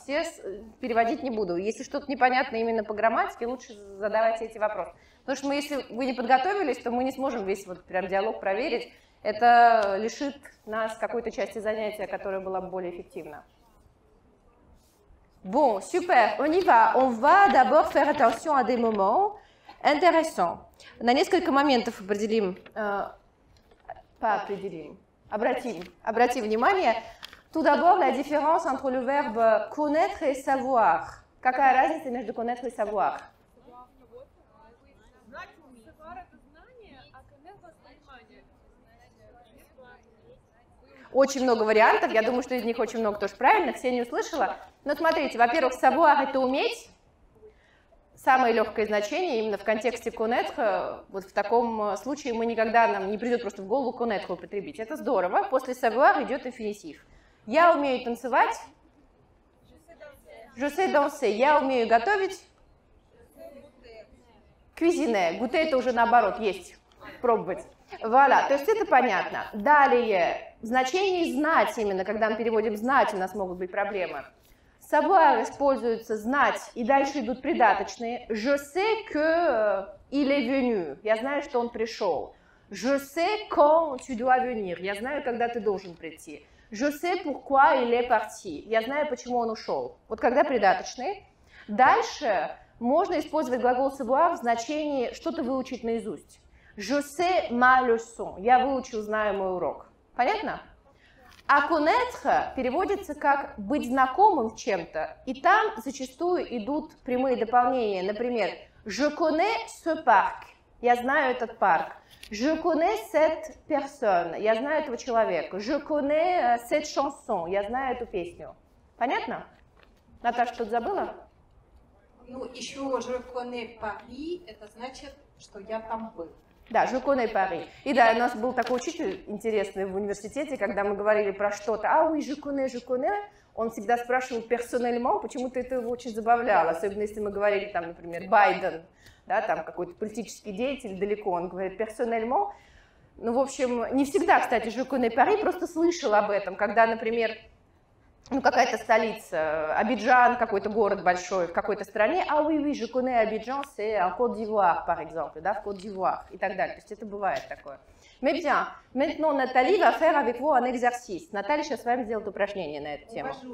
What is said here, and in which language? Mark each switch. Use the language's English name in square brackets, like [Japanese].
[Russian] Все переводить не буду. Если что-то непонятно именно по грамматике, лучше задавайте эти вопросы. Потому что мы, если вы не подготовились, то мы не сможем весь вот прям диалог проверить. Это лишит нас какой-то части занятия, которая была бы более эффективна. [French] Bon, super, on y va. On va d'abord faire attention à des moments intéressants. [Russian] На несколько моментов определим... Поопределим. Обратим внимание. [French] Tout d'abord, la différence entre le verbe connaître et savoir. [Russian] Какая разница между [French] connaître et savoir? [Russian] Очень много вариантов, я думаю, что из них очень много тоже правильно, все не услышала. Но смотрите, во-первых, savoir – это уметь. Самое легкое значение именно в контексте connaître. Вот в таком случае мы никогда, нам не придет просто в голову connaître употребить. Это здорово. После savoir идет инфинитив. Я умею танцевать. [French] Je sais danser. [Russian] Я умею готовить. [French] Cuisiner. [Russian] Goûter – это уже наоборот, есть, пробовать. Voilà, то есть это понятно. Далее, значение знать именно, когда мы переводим знать, у нас могут быть проблемы. Savoir используется знать, и дальше идут придаточные. [French] Je sais que il est venu. [Russian] Я знаю, что он пришел. [French] Je sais quand tu dois venir. [Russian] Я знаю, когда ты должен прийти. [French] Je sais pourquoi il est parti. [Russian] Я знаю, почему он ушел. Вот когда придаточные. Дальше можно использовать глагол savoir в значении что-то выучить наизусть. [French] Je sais ma leçon. [Russian] Я выучил, знаю мой урок. Понятно? А connaître переводится как быть знакомым с чем-то. И там зачастую идут прямые дополнения. Например, [French] je connais ce parc. [Russian] Я знаю этот парк. [French] Je connais cette personne. [Russian] Я знаю этого человека. [French] Je connais cette chanson. [Russian] Я знаю эту песню. Понятно? Наташа, что-то забыла? Ну, еще [French] je connais Paris. [Russian] Это значит, что я там был. [French] Да, «Je connais Paris». [Russian] И да, у нас был такой учитель интересный в университете, когда мы говорили про что-то, «А, [French] oui, je connais», [Russian] он всегда спрашивал персонельмон, почему-то это его очень забавляло, особенно если мы говорили, там, например, «Байден», да, там какой-то политический деятель далеко, он говорит персонельмон. Ну, в общем, не всегда, кстати, «Je connais Paris», просто слышал об этом, когда, например, ну, какая-то столица, Абиджан, какой-то город большой в какой-то стране, а [French] oui, je connais Abidjan, c'est en Côte d'Ivoire, par exemple, [Russian] да, в Côte d'Ivoire, и так далее. То есть это бывает такое. [French] Mais bien, maintenant Nathalie va faire avec vous un exercice. [Russian] Наталья сейчас с вами сделает упражнение на эту тему.